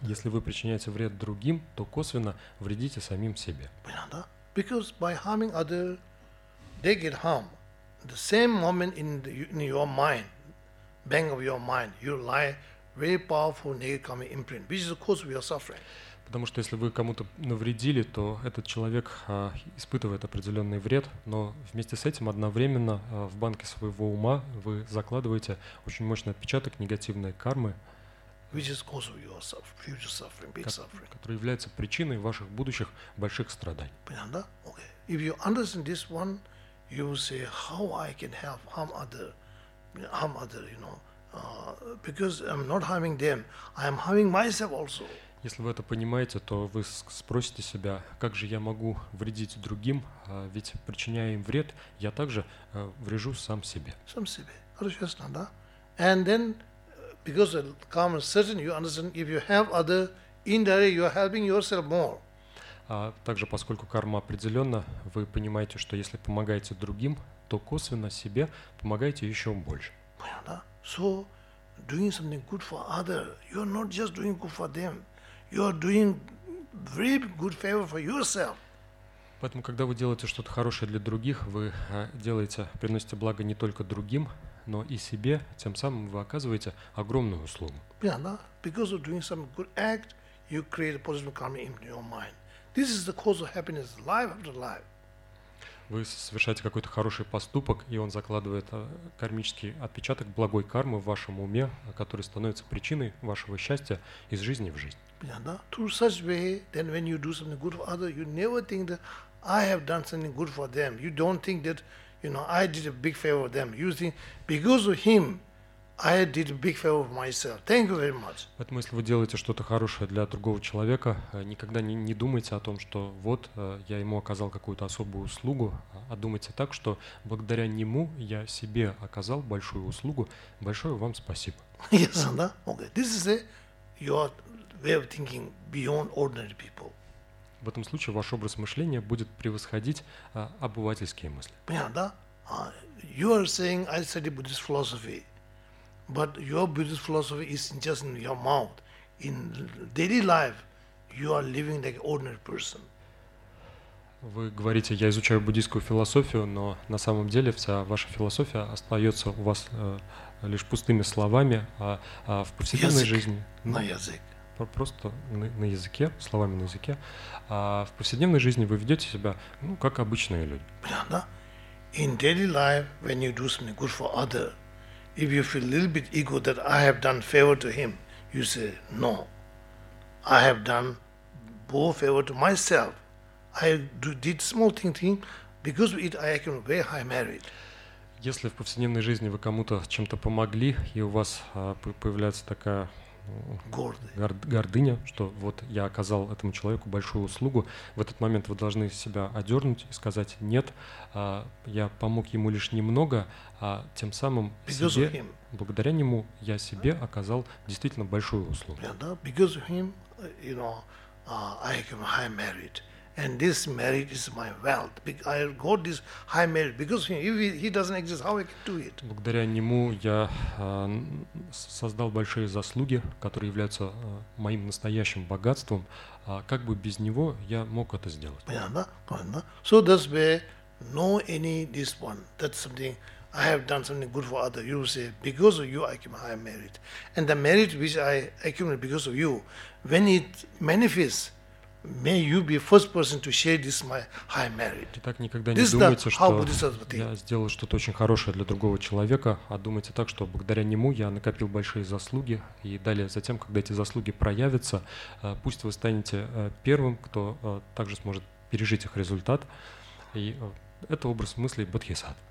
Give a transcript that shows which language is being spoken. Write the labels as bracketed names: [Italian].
[Russian] Если вы причиняете вред другим, то косвенно вредите самим себе. Понятно, да? [English] Because by harming other, they get harm. The same moment in your mind, bank of your mind, you lie very powerful negative karmic imprint, which is the cause of your suffering. [Russian] Потому что если вы кому-то навредили, то этот человек испытывает определенный вред, но вместе с этим одновременно в банке своего ума вы закладываете очень мощный отпечаток негативной кармы, [English] which is cause of your future suffering, big suffering. [Russian] Который является причиной ваших будущих больших страданий. Понятно, да? [English] Okay. If you understand this one, you will say, how I can help harm other, you know, because I'm not harming them, I am harming myself also. [Russian] Если вы это понимаете, то вы спросите себя, как же я могу вредить другим, ведь причиняя им вред, я также врежу сам себе. Сам себе. Хорошо, ясно, да? [English] And then, because the karma is certain, you understand if you help other indirectly, you are helping yourself more. [Russian] Также, поскольку карма определенна, вы понимаете, что если помогаете другим, то косвенно себе помогаете еще больше. Понятно? [English] So, doing something good for other, you are not just doing good for them, you are doing very good favor for yourself. [Russian] Поэтому, когда вы делаете что-то хорошее для других, вы приносите благо не только другим, но и себе, тем самым вы оказываете огромную услугу. [English] Yeah, no? Because of doing some good act, you create a positive karma in your mind. This is the cause of happiness, life after life. [Russian] вы совершаете какой-то хороший поступок, и он закладывает кармический отпечаток благой кармы в вашем уме, который становится причиной вашего счастья из жизни в жизнь. [English] Through such way, then when you do something good for others, you never think that I have done something good for them. You don't think that, you know, I did a big favor for them. You think because of him, I did a big favor for myself. Thank you very much. [Russian] Поэтому, если вы делаете что-то хорошее для другого человека, никогда не думайте о том, что вот я ему оказал какую-то особую услугу, а думайте так, что благодаря нему я себе оказал большую услугу. Большое вам спасибо. [English] Yes, [Russian] да? [English] Okay. This is your way of thinking beyond ordinary people. [Russian] В этом случае ваш образ мышления будет превосходить обывательские мысли. Понятно, да? [English] You are saying I study Buddhist philosophy. But your Buddhist philosophy is just in your mouth. In daily life, you are living like an ordinary person. [Russian] Вы говорите, я изучаю буддийскую философию, но на самом деле вся ваша философия остается у вас лишь пустыми словами, а в повседневной жизни... На язык. Просто на языке, словами на языке. А в повседневной жизни вы ведете себя, ну, как обычные люди. Понятно? [English] In daily life, when you do something good for others, if you feel a little bit ego that I have done favor to him, you say, no, I have done more favor to myself. I did small thing to him, because of it I can wear high merit. [Russian] Если в повседневной жизни вы кому-то чем-то помогли, и у вас появляется такая гордыня, что вот я оказал этому человеку большую услугу, в этот момент вы должны себя одернуть и сказать, нет, я помог ему лишь немного, а тем самым себе, благодаря нему я себе оказал действительно большую услугу. [English] Because of him, you know, I have high merit. And this merit is my wealth. I got this high merit because of him. If he doesn't exist, how I can do it? [Russian] Благодаря нему я создал большие заслуги, которые являются моим настоящим богатством. Как бы без него я мог это сделать? Понятно. [English] So that's where know any this one. That's something I have done something good for others. You say because of you I came high merit, and the merit which I accumulate because of you, when it manifests. May you be first person to share this my high merit. [Russian] Итак, никогда не думайте, что я сделал что-то очень хорошее для другого человека, а думайте так, что благодаря нему я накопил большие заслуги, и далее, затем, когда эти заслуги проявятся, пусть вы станете первым, кто также сможет пережить их результат. И это образ мыслей Бодхисат.